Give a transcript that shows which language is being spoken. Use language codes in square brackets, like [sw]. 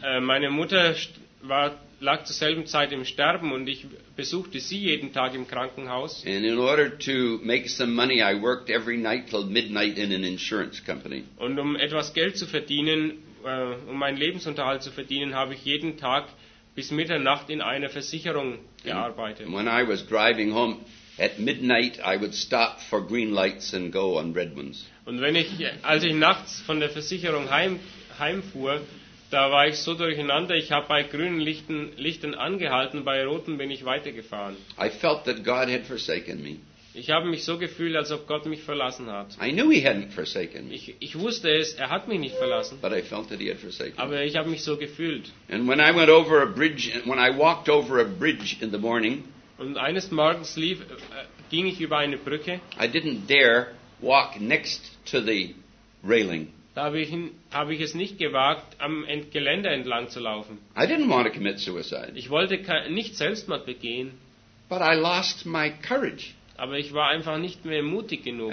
[de] Meine Mutter lag zur selben Zeit im Sterben und ich besuchte sie jeden Tag im Krankenhaus. [en] And in order to make some money, I worked every night till midnight in an insurance company. [de] Und um etwas Geld zu verdienen, um meinen Lebensunterhalt zu verdienen, habe ich jeden Tag bis Mitternacht in einer Versicherung gearbeitet. [en] When I was driving home at midnight, I would stop for green lights and go on red ones. [de] Und als ich nachts von der Versicherung heimfuhr, da war ich so durcheinander. Ich habe bei grünen Lichten angehalten, bei roten bin ich weitergefahren. [en] I felt that God had forsaken me. [de] Ich habe mich so gefühlt, als ob Gott mich verlassen hat. [en] I knew he hadn't forsaken me. [de] Ich wusste es, er hat mich nicht verlassen. [en] But I felt that he had forsaken [de] aber ich habe mich so gefühlt. [en] And when I went over a bridge, when I walked over a bridge in the morning, [de] und eines Morgens ging ich über eine Brücke. [en] I didn't dare walk next to the railing. [de] Da habe ich es nicht gewagt, am Geländer entlang zu laufen. [en] I didn't want to commit suicide. [de] Ich wollte nicht Selbstmord begehen. [en] But I lost my courage. [de] Aber ich war einfach nicht mehr mutig genug.